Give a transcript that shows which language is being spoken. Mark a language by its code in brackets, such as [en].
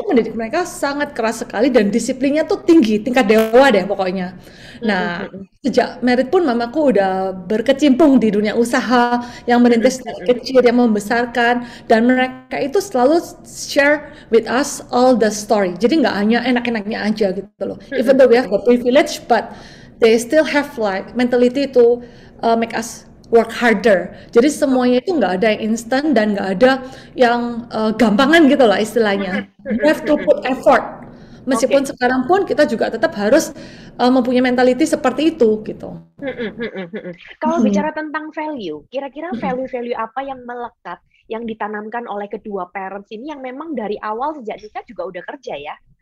[id] tuh mendidik mereka sangat keras sekali dan disiplinnya tuh tinggi, tingkat dewa deh pokoknya. Nah, sejak merit pun mamaku udah berkecimpung di dunia usaha yang merintis dari kecil, yang membesarkan, dan mereka itu selalu [en] share with us all the story. [id] Jadi nggak hanya enak-enaknya aja gitu loh. [en] Even though we have the privilege, but they still have like mentality to make us work harder. [id] Jadi semuanya itu nggak ada yang instan dan nggak ada yang gampangan gitu lah istilahnya. [en] You have to put effort. [id] Oke. Meskipun sekarang pun kita juga tetap harus mempunyai mentality seperti itu gitu. Kalau bicara tentang value, kira-kira value-value apa yang melekat yang ditanamkan oleh kedua parents ini yang memang dari awal sejak kita juga udah kerja ya?